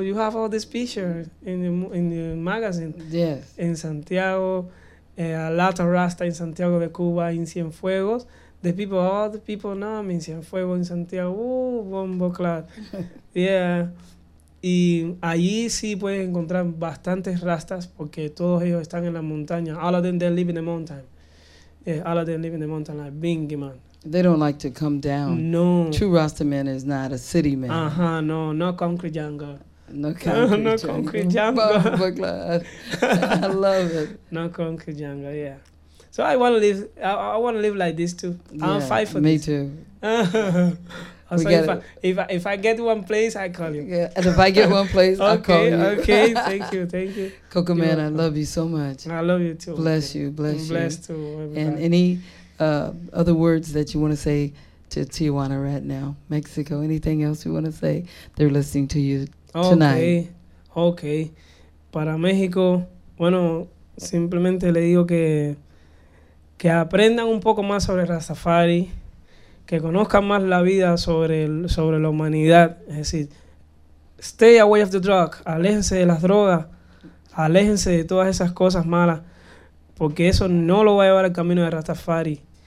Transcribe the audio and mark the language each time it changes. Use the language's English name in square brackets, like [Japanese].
[English] You have all these pictures in the magazine. Yes. En Santiago, a lot of Rasta in Santiago de Cuba, in Cienfuegos. The people, all the people know me in Cienfuegos, in Santiago. Bombo Club. [Spanish] Yeah. Y allí sí puedes encontrar bastantes rastas porque todos ellos están en la montaña. [English] All of them, they live in the mountain. Yeah, all of them live in the mountain, like Bingy Man. They don't like to come down. No. True Rasta man is not a city man. Uh-huh, no, no concrete jungle. No concrete jungle. No concrete jungle. I love it. No concrete jungle, yeah. So I want to live like this too. Yeah, I'm fine for me this. Me too. if I get one place, I call you. Yeah, and if I get one place, okay, I call you. Okay, thank you. Coco Man, welcome. I love you so much. I love you too. Bless you. Blessed too. Everybody. And any other words that you want to say to Tijuana right now, Mexico, anything else you want to say? They're listening to you tonight. Okay. [Spanish] Para México, bueno, simplemente le digo que aprendan un poco más sobre Rastafari, que conozcan más la vida sobre la humanidad. Es decir, [English] stay away of the drug, [Spanish] aléjense de las drogas, aléjense de todas esas cosas malas, porque eso no lo va a llevar al camino de Rastafari.